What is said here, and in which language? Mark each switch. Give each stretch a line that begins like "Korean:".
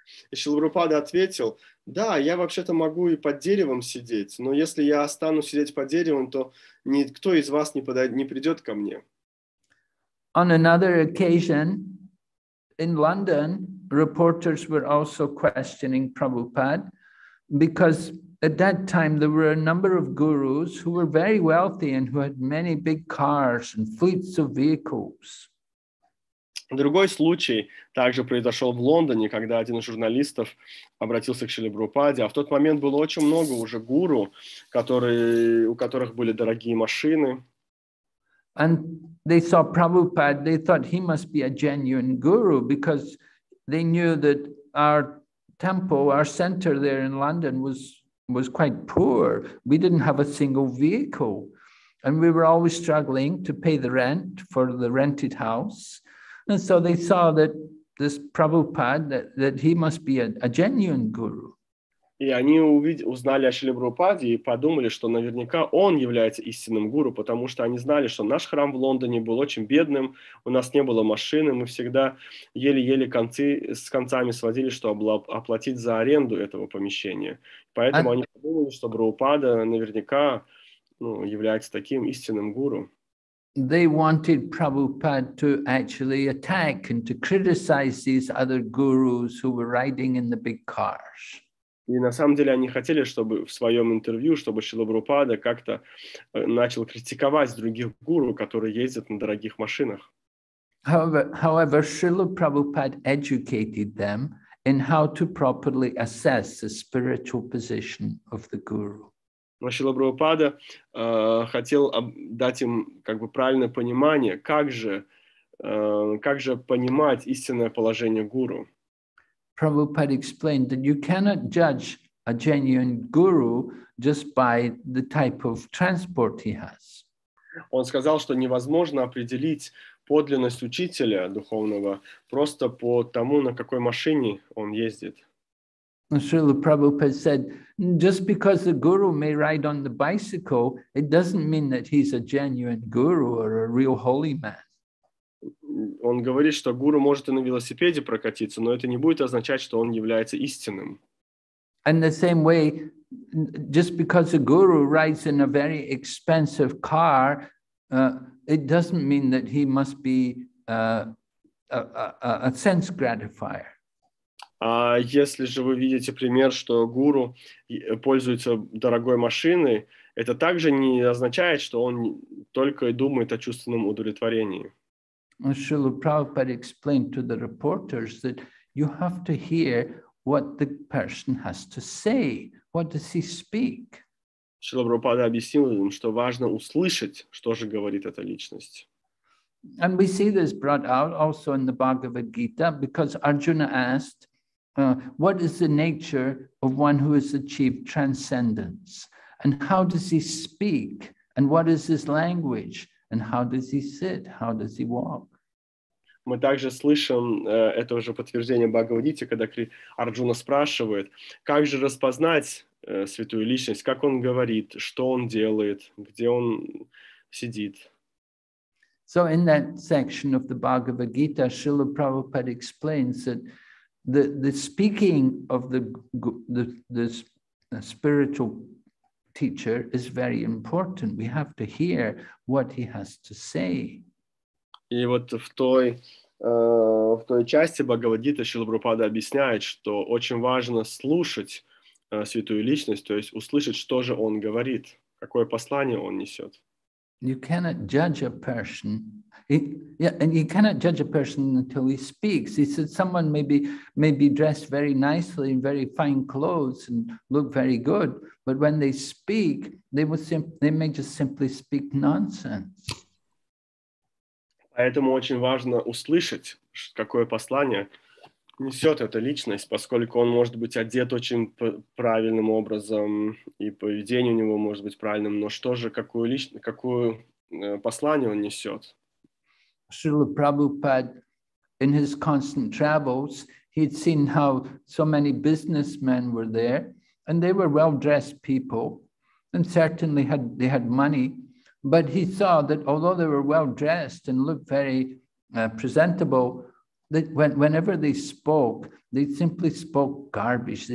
Russian: И Шрила Прабхупада ответил, да, я вообще-то могу и под деревом сидеть, но если я останусь сидеть под деревом, то никто из вас не придет ко мне.
English: On another occasion, in London, reporters were also questioning Prabhupada because at that time there were a number of gurus who were very wealthy and who had many big cars and fleets of vehicles.
Russian: Другой случай также произошел в Лондоне, когда один из журналистов обратился к Шриле Прабхупаде, а в тот момент было очень много уже гуру, у которых были дорогие машины.
English: And they saw Prabhupada, they thought he must be a genuine guru because they knew that our temple, our center there in London was quite poor. We didn't have a single vehicle. And we were always struggling to pay the rent for the rented house. And so they saw that this Prabhupada, that he must be a genuine guru.
Russian: И они узнали о Шриле Прабхупаде и подумали, что наверняка он является истинным гуру, потому что они знали, что наш храм в Лондоне был очень бедным, у нас не было машины, мы всегда еле-еле с концами сводили, чтобы оплатить за аренду этого помещения. Поэтому они подумали, что Прабхупада наверняка является таким истинным гуру.
English: They wanted Prabhupada to actually attack and to criticize these other gurus who were riding in the big cars.
Russian: И на самом деле они хотели, чтобы в своем интервью, чтобы Шрила Прабхупада как-то начал критиковать других гуру, которые ездят на дорогих машинах.
English: However, Srila Prabhupada educated them in how to properly assess the spiritual position of the guru.
Russian: Но Шрила Прабхупада хотел дать им как бы правильное понимание, как же понимать истинное положение гуру.
English: Prabhupada explained that you cannot judge a genuine guru just by the type of transport he has.
Russian: Он сказал, что невозможно определить подлинность учителя духовного просто по тому, на какой машине он ездит.
English: Srila Prabhupada said, just because the guru may ride on the bicycle, it doesn't mean that he's a genuine guru or a real holy man.
Russian: Он говорит, что гуру может и на велосипеде прокатиться, но это не будет означать, что он является истинным.
English: And the same way, just because a guru rides in a very expensive car, it doesn't mean that he must be a sense gratifier.
Russian: Если же вы видите пример, что гуру пользуется дорогой машиной, это также не означает, что он только и думает о чувственном удовлетворении.
English: Srila Prabhupada explained to the reporters that you have to hear what the person has to say. What does he speak?
Russian: Srila Prabhupada объяснил им, что важно услышать, что же говорит эта личность.
English: And we see this brought out also in the Bhagavad Gita, because Arjuna asked, what is the nature of one who has achieved transcendence? And how does he speak? And what is his language? And how does he sit? How does he walk?
Russian: Мы также слышим это уже подтверждение Бхагавадгиты, когда Арджуна спрашивает, как же распознать святую личность, как он говорит, что он делает, где он сидит.
English: So in that section of the Bhagavad Gita, Srila Prabhupada explains that the speaking of the spiritual teacher is very important. We have to hear what he has to say.
Russian: И вот в той части Бхагавадгиты Шрила Прабхупада объясняет, что очень важно слушать святую личность, то есть услышать, что же он говорит, какое послание он несет.
English: You cannot judge a person. And you cannot judge a person until he speaks. He said someone may be dressed very nicely in very fine clothes and look very good, but when they speak, they may just simply speak nonsense.
Russian: Поэтому очень важно услышать, какое послание несет эта личность, поскольку он может быть одет очень правильным образом, и поведение у него может быть правильным, но что же, какое послание он несет?
English: Srila Prabhupada, in his constant travels, he'd seen how so many businessmen were there, and they were well-dressed people, and certainly they had money. But he saw that although they were well-dressed and looked very presentable, that whenever they spoke, they simply spoke garbage.